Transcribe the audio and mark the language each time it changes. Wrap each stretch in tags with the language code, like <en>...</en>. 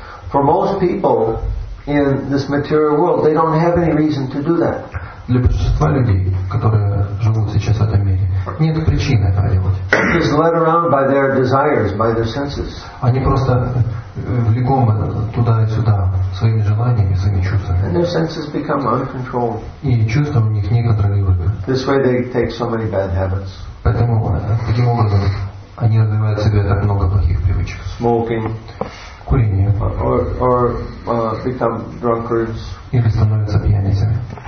<en>For most people in this material world, they don't have any reason to do that.</en> <ru>Для большинства людей, которые живут сейчас в этом мире, нет причины этого делать.</ru> <en>Just led around by their desires, by their senses.</en> <ru>Они просто влекомы туда и сюда своими желаниями, своими чувствами.</ru> <en>And their senses become uncontrolled.</en> <ru>И чувства у них неконтролируемы.</ru> <en>This way they take so many bad habits.</en> <ru>Поэтому таким образом они развивают в себе так много плохих привычек.</ru> <en>Smoking.</en> <ru>Курение.</ru> <en>Or become drunkards.</en> <ru>Или становятся пьяницами.</ru>